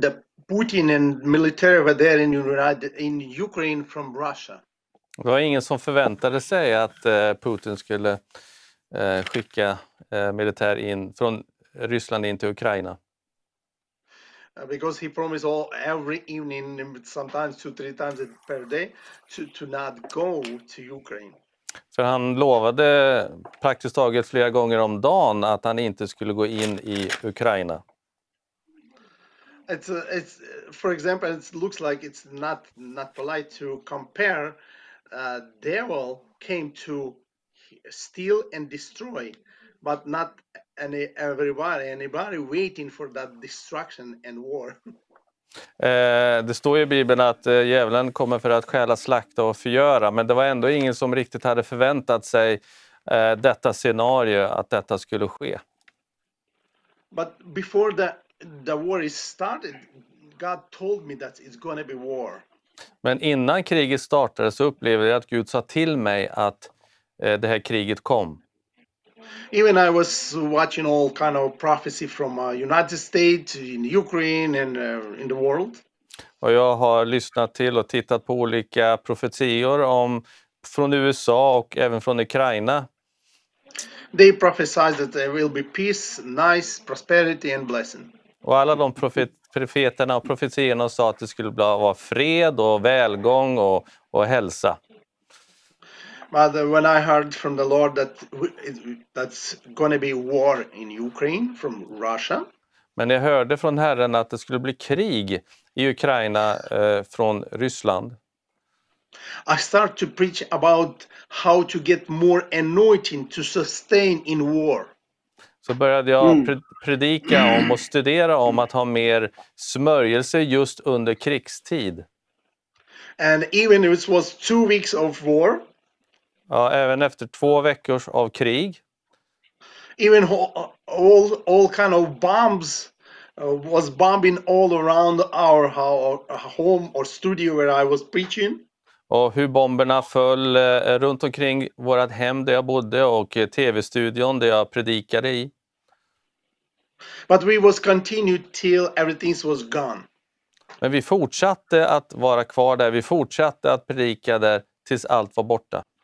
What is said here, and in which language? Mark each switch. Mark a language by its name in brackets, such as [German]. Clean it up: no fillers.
[English] The Putin and military were there in Ukraine from Russia. [Swedish] Det var ingen som förväntade sig att Putin skulle skicka militär in från Ryssland in till Ukraina. [English] Because he promised all every evening, sometimes 2-3 times per day, to not go to Ukraine. [Swedish] För han lovade praktiskt taget flera gånger om dagen att han inte skulle gå in i Ukraina. [English] It's for example, it looks like it's not polite to compare. Devil came to steal and destroy, but not anybody waiting for that destruction and war. [Swedish] Det står ju i Bibeln att djävulen kommer för att stjäla, slakta och förgöra, men det var ändå ingen som riktigt hade förväntat sig detta scenario, att detta skulle ske. [English] But before the war is started, God told me that it's going to be war. [Swedish] Men innan kriget startade så upplevde jag att Gud sa till mig att det här kriget kom. [English] Even I was watching all kind of prophecy from United States in Ukraine and in the world. [Swedish] Och jag har lyssnat till och tittat på olika profetior om från USA och även från Ukraina. [English] They prophesized that there will be peace, nice prosperity and blessing. [Swedish] Och alla de profeterna och profetierna sa att det skulle vara fred och välgång och hälsa. [English] But when I heard from the Lord that that's going to be war in Ukraine from Russia. [Swedish] Men jag hörde från Herren att det skulle bli krig i Ukraina från Ryssland. [English] I start to preach about how to get more anointing to sustain in war. [Swedish] Så började jag predika om och studera om att ha mer smörjelse just under krigstid. [English] And even if it was 2 weeks of war. [Swedish] Ja, även efter 2 veckor av krig. [English] Even all kind of bombs was bombing all around our home or studio where I was preaching. [Swedish] Och hur bomberna föll runt omkring vårt hem där jag bodde och TV-studion där jag predikade i. [English] But we was continued till everything was gone. [Swedish] Men vi fortsatte att vara kvar där. Vi fortsatte att predika där tills allt var borta.